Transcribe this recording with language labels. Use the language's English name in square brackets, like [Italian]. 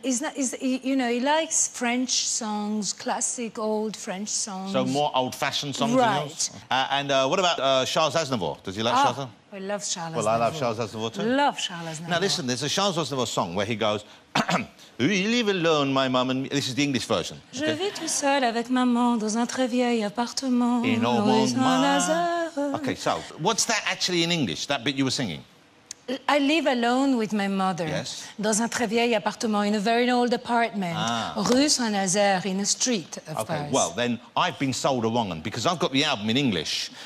[English] He likes French songs, classic old French songs. So more old-fashioned songs, right? Than yours? What about Charles Aznavour? Does he like Charles? I love Charles. Well, I love Charles Aznavour too. Love Charles Aznavour. Now listen, there's a Charles Aznavour song where he goes, "You live alone, my mum, and..." This is the English version. Okay? [French] Je vis tout seul avec maman dans un très vieil appartement. [English] In all mon... Okay, so what's that actually in English, that bit you were singing? I live alone with my mother. Yes. [French] Dans un très vieil appartement, [English] in a very old apartment. Ah. Rue Saint-Nazaire, in a street, of okay, Paris. Well, then I've been sold a wrong one, because I've got the album in English.